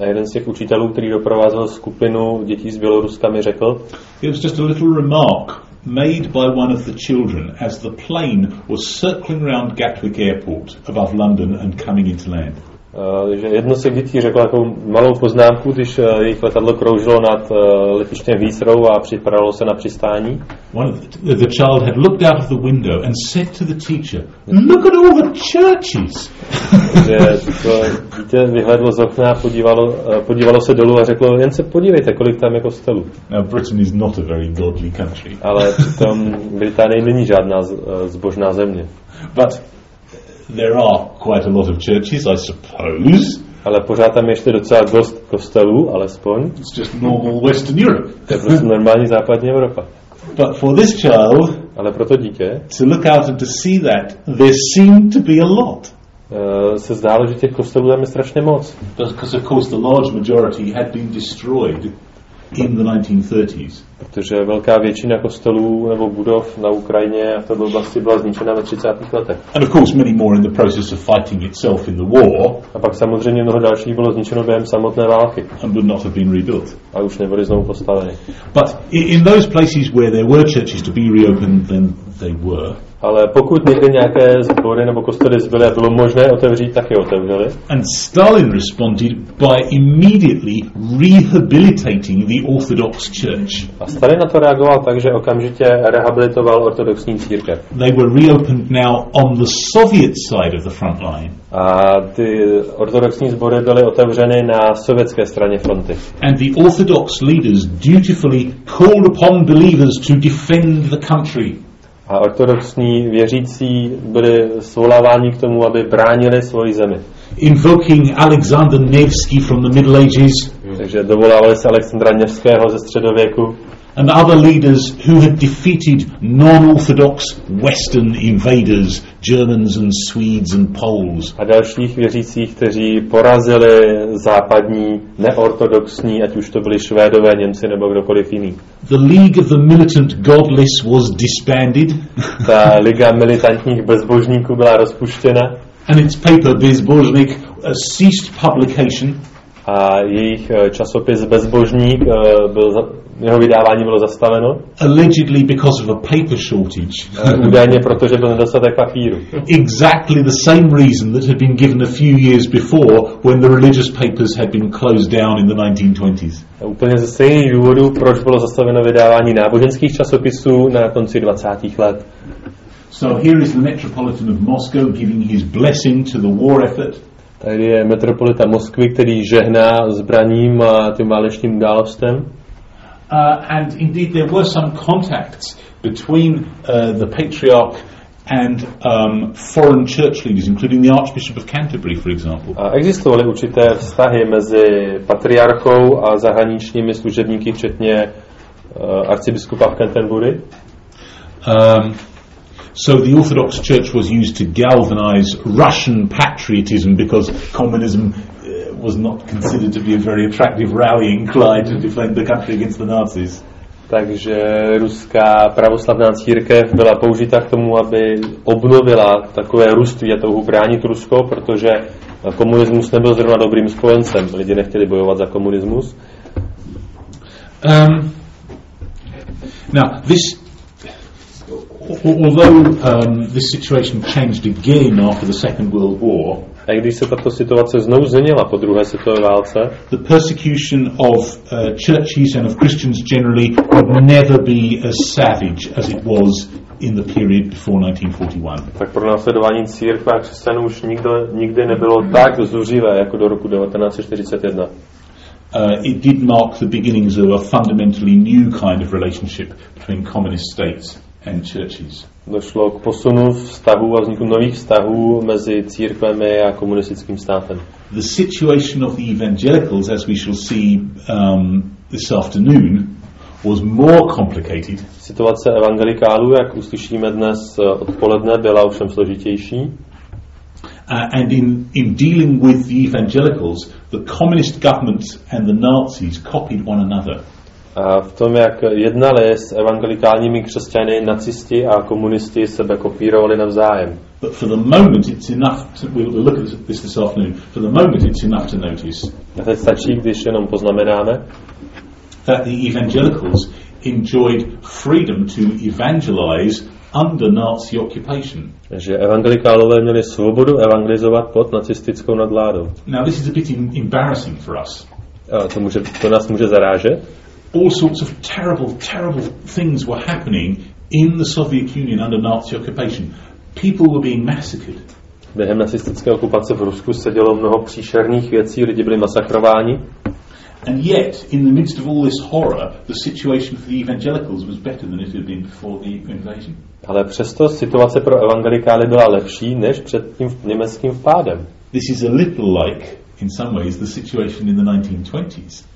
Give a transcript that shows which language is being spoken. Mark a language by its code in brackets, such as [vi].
[cs] A jeden z těch učitelů, který doprovázel skupinu dětí z Běloruska, mi řekl. [en] It was just a little remark made by one of the children as the plane was circling round Gatwick Airport above London and coming into land. [cs] Že jedno z těch dětí řeklo takovou malou poznámku, když jejich letadlo kroužilo nad letištěm Heathrow a připravilo se na přistání. [en] The child had looked out of the window and said to the teacher, "Look at all the churches." [cs] Že to dítě vyhledlo z okna, podívalo se dolů a řeklo, jen se podívejte, kolik tam je kostelů. [en] Now Britain is not a very godly country. [cs] Ale přitom Británie není žádná zbožná země. [en] But there are quite a lot of churches, I suppose. [cs] Ale pořád tam ještě docela dost kostelů, alespoň. [en] It's just normal Western Europe. [cs] To je prostě normální západní Evropa. [en] But for this child, [cs] ale pro to dítě, [en] to look out and to see that, there seemed to be a lot. [cs] Se zdálo, že těch kostelů tam je strašně moc. [en] Because of course the large majority had been destroyed in the 1930s. [cs] Protože velká většina kostelů nebo budov na Ukrajině a v této oblasti byla zničena ve 30. letech. [en] And of course many more in the process of fighting itself in the war. [cs] A pak samozřejmě mnoho dalších bylo zničeno během samotné války. [en] And would not have been rebuilt. [cs] A už nebyly znovu postaveny. [en] But in those places where there were churches to be reopened, then they were. [cs] Ale pokud někde nějaké sbory nebo kostely zbyly a bylo možné otevřít, tak je otevřeli. [en] And Stalin responded by immediately rehabilitating the Orthodox Church. [cs] A Stalin na to reagoval tak, že okamžitě rehabilitoval ortodoxní církev. [en] They were reopened now on the Soviet side of the front line. [cs] A ty ortodoxní sbory byly otevřeny na sovětské straně fronty. [en] And the Orthodox leaders dutifully called upon believers to defend the country. [cs] A ortodoxní věřící byli svoláváni k tomu, aby bránili svoji zemi. [en] Invoking Alexander Nevsky from the Middle Ages. [cs] Takže dovolávali se Alexandra Nevského ze středověku. [en] And other leaders who had defeated non-orthodox Western invaders, Germans and Swedes and Poles. [cs] A dalších věřících, kteří porazili západní neortodoxní, ať už to byli Švédové, Němci nebo kdokoliv jiný. [en] The League of the Militant Godless was disbanded. [cs] Ta Liga militantních bezbožníků byla rozpuštěna. [en] And its paper Bezbožník ceased publication. [cs] A jejich časopis Bezbožník byl jeho vydávání bylo zastaveno. [en] Allegedly because of a paper shortage. [cs] Údajně protože byl nedostatek papíru. [en] Exactly the same reason that had been given a few years before when the religious papers had been closed down in the 1920s. [cs] Úplně ze stejných důvodů, proč bylo zastaveno vydávání náboženských časopisů na konci 20. let. [en] So here is the Metropolitan of Moscow giving his blessing to the war effort. [cs] Tady je metropolita Moskvy, který žehná zbraním a tím válečným událostem. [en] And indeed there were some contacts between the patriarch and foreign church leaders, including the Archbishop of Canterbury, for example. [cs] Existovaly určité vztahy mezi patriarchou a zahraničními služebníky, včetně arcibiskupa v Canterbury. [en] So the Orthodox Church was used to galvanize Russian patriotism because communism was not considered to be a very attractive rallying cry to defend the country against the Nazis. [cs] Takže ruská pravoslavná církev byla použita k tomu, aby obnovila takové ruství a touhu bránit Rusko, protože komunismus nebyl zrovna dobrým spojencem. Lidi nechtěli bojovat za komunismus. [en] Now, this although this situation changed again after the Second World War, [cs] a když se tato situace znovu změnila po druhé světové válce, [en] the persecution of churches and of Christians generally would never be as savage as it was in the period before 1941. [cs] Tak pronásledování církve a křesťanů už nikdy nebylo tak zuřivé jako do roku 1941. [en] It did mark the beginnings of a fundamentally new kind of relationship between communist states and churches. [cs] Došlo k posunu vztahů a vzniku nových vztahů mezi církvemi a komunistickým státem. [en] The situation of the evangelicals, as we shall see this afternoon, was more complicated. [cs] Situace evangelikálů, jak uslyšíme dnes odpoledne, byla ovšem složitější. [en] And in dealing with the evangelicals, the communist governments and the Nazis copied one another. [cs] A v tom, jak jednali s evangelikálními křesťany, nacisti a komunisti sebe kopírovali navzájem. [en] But for the moment it's enough to, we'll look at this afternoon. For the moment it's enough to notice. [cs] A teď stačí, když jenom poznamenáme, [en] that the evangelicals enjoyed freedom to evangelize under Nazi occupation. [cs] Že evangelikálové měli svobodu evangelizovat pod nacistickou nadvládou. [en] Now this is a bit embarrassing for us. [cs] To nás může zarážet. [en] All sorts of terrible things were happening in the Soviet Union under Nazi occupation. People were being massacred. [cs] Během nacistické okupace v Rusku se dělo mnoho příšerných věcí, lidi byli masakrováni. [en] And yet, in the midst of all this horror, the situation for the evangelicals was better than it had been before the invasion. [cs] Ale přesto situace pro evangelikály byla lepší než před tím německým vpádem. [en] This is a little like in some ways the situation in the 1920s.